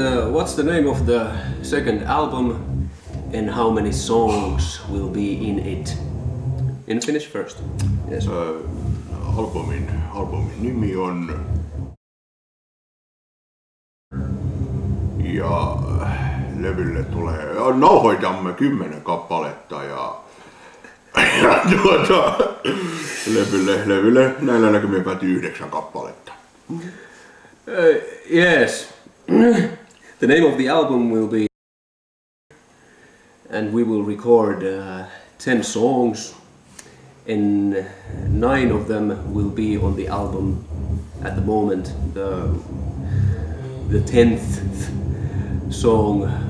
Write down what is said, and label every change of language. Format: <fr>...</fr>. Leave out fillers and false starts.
<en>What's the name of the second album and how many songs will be in it? In Finnish first. Yes.</en> <fi>Albumin nimi on ja levylle tulee, nauhoitamme 10 kappaletta ja tuota, levylle näillä näkymin päätyy 9 kappaletta.</fi> <en>Yes, the name of the album will be, and we will record 10 songs, and 9 of them will be on the album at the moment, the 10th song.</en>